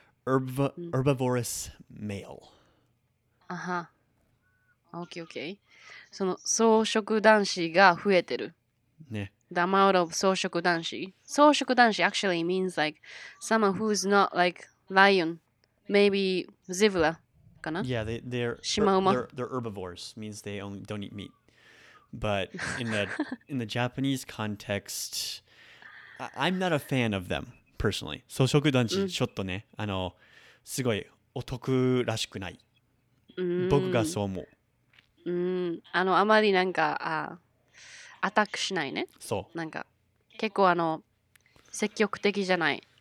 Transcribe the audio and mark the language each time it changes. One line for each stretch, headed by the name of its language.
English: うん、herbivorous male、
Japanese: あは、オッケーオッケー、その草食男子が増えてるね、
English: the amount of 草食男子、草食男子 actually means like someone who's not like lion, maybe zebra かな、 yeah, they're
Japanese: シマウマ、
English: they're herbivores, means they only don't eat meat, but in the in the Japanese context, I'm not a fan of them personally.
Japanese: 草食男子ちょっとね、うん、あのすごいお得らしくない、うん、僕がそう思う、うん、あのあまりなんかアタックしないね、そうなんか結構あの積極的じゃない、